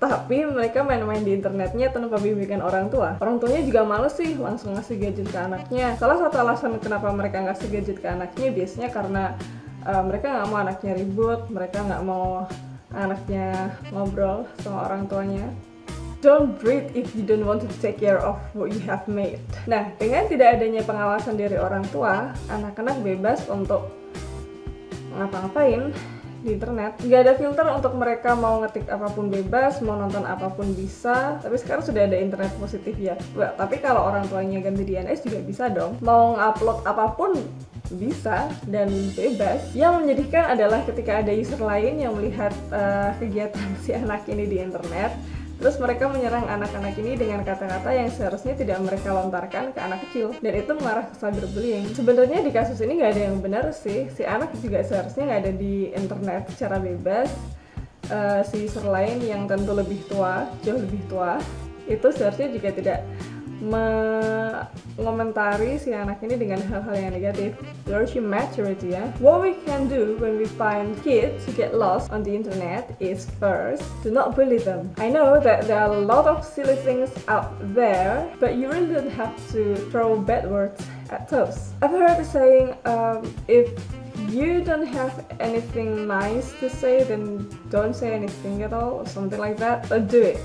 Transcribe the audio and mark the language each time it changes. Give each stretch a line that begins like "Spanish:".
Indonesian: Tapi mereka main-main di internetnya tanpa bimbingan orang tua. Orang tuanya juga males sih langsung ngasih gadget ke anaknya. Salah satu alasan kenapa mereka ngasih gadget ke anaknya biasanya karena mereka nggak mau anaknya ribut, mereka nggak mau anaknya ngobrol sama orang tuanya.
English: Don't breathe if you don't want to take care of what you have made.
Indonesian: Nah, dengan tidak adanya pengawasan dari orang tua, anak-anak bebas untuk ngapa-ngapain di internet. Gak ada filter untuk mereka mau ngetik apapun bebas, mau nonton apapun bisa. Tapi sekarang sudah ada internet positif ya. Well, tapi kalau orang tuanya ganti DNS juga bisa dong. Mau ngupload apapun bisa dan bebas. Yang menyedihkan adalah ketika ada user lain yang melihat kegiatan si anak ini di internet. Terus mereka menyerang anak-anak ini dengan kata-kata yang seharusnya tidak mereka lontarkan ke anak kecil. Dan itu mengarah ke cyberbullying. Sebenarnya di kasus ini gak ada yang benar sih. Si anak juga seharusnya gak ada di internet secara bebas. Si user lain yang tentu lebih tua, jauh lebih tua, itu seharusnya juga tidak mengomentari si anak ini dengan hal-hal yang negatif.
English: There's your maturity ya. What we can do when we find kids who get lost on the internet is first, do not bully them. I know that there are a lot of silly things out there, but you really don't have to throw bad words at those. I've heard a saying, if you don't have anything nice to say, then don't say anything at all, or something like that. But do it.